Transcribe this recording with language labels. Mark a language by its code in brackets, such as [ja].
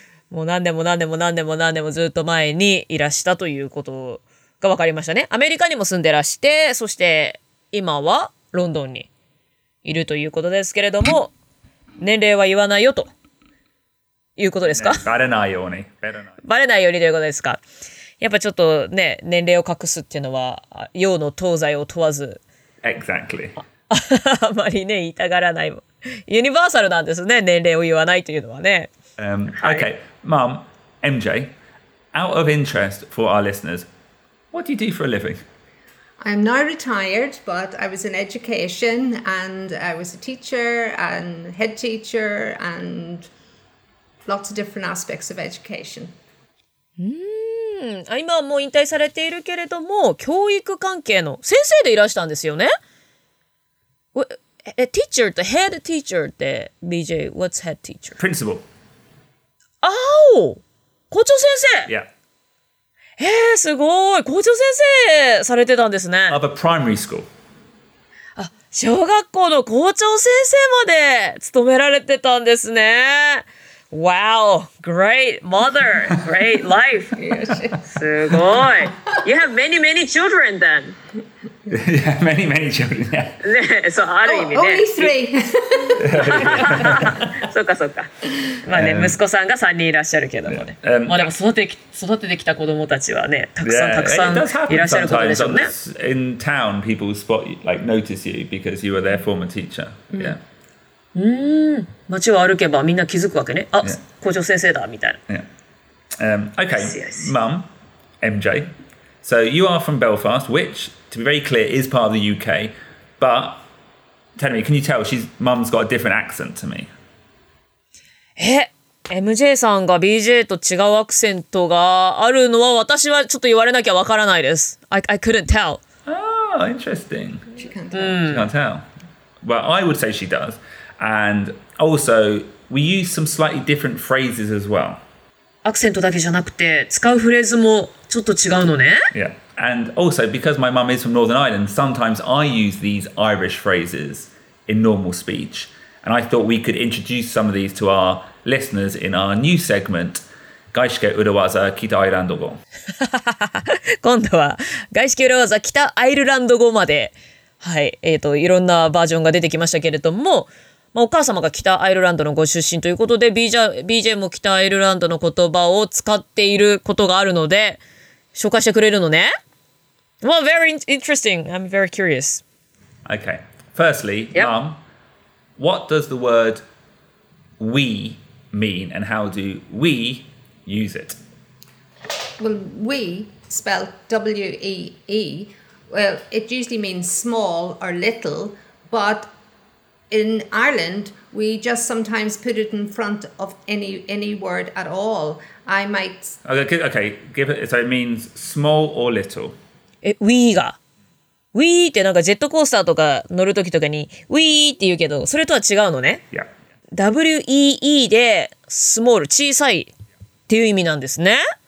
[ja] もう何年も何年も何年も何年もずっと前にいらしたということが分かりましたね。アメリカにも住んでらして、そして今はロンドンにいるということですけれども、年齢は言わないよということですか？バレないように。バレないようにということですか？やっぱちょっとね、年齢を隠すっていうのは、洋の東西を問わず。 [en] Exactly. [ja] あまりね、言いたがらないもん。ユニバーサルなんですね、年齢を言わないというのはね。 [en] Okay, Mom, MJ, out of interest for our listeners, what do you do for a living? I'm now retired, but I was in education, and I was a teacher, and head teacher, and lots of different aspects of education. [ja] あ、今はもう引退されているけれども、教育関係の先生でいらしたんですよね? [en] Teacher, the head teacher, the BJ, what's head teacher? Principal. [ja] Oh! 校長先生! [en] Yeah. [ja] すごい! 校長先生されてたんですね。 [en] Of a primary school. [ja] 小学校の校長先生まで務められてたんですね。 [en] Wow! Great mother! Great life! [ja] すごい! [en] You have many, many children then! Yeah, many, many children, yeah. [ja] そう、ある意味ね。 [en] Only three! [ja] そうか、そうか。まあね、息子さんが3人いらっしゃるけどもね。まあでも育ててきた子供たちはね、たくさん、たくさんいらっしゃることでしょうね。 [en] In town, people spot you, like, notice you because you were their former teacher. Yeah. [ja] うん。街を歩けばみんな気づくわけね。あ、校長先生だ、みたいな。 [en] Okay, Mum, MJ. So you are from Belfast, which... To be very clear, is part of the UK, but tell me, can you tell she's mum's got a different accent to me? [ja] MJ さんが BJ と違うアクセントがあるのは私はちょっと言われなきゃわからないです。 [en] I couldn't tell. Oh, interesting. She can't tell. Well, I would say she does. And also, we use some slightly different phrases as well. [ja] アクセントだけじゃなくて使うフレーズもちょっと違うのね。 [en] Yeah. And also, because my mum is from Northern Ireland, sometimes I use these Irish phrases in normal speech. And I thought we could introduce some of these to our listeners in our new segment, Gaishike Urawaza Kita Ireland Go. [ja] 今度は、Gaishike Urawaza Kita Ireland Go まではい、いろんなバージョンが出てきましたけれども、まあ、お母様が北アイルランドのご出身ということで BJ も北アイルランドの言葉を使っていることがあるので紹介してくれるのね。 [en] Well, very interesting. I'm very curious. Okay. Firstly, yep. Mom, what does the word we mean and how do we use it? Well, we spelled W-E-E. Well, it usually means small or little, but in Ireland, we just sometimes put it in front of any word at all. I might... Okay, give it, so it means small or little. [ja] We が。 We ってなんかジェットコースターとか乗るときとかに We って言うけど、それとは違うのね。 [en] Yeah. [ja] W-E-E で small、小さいっていう意味なんですね。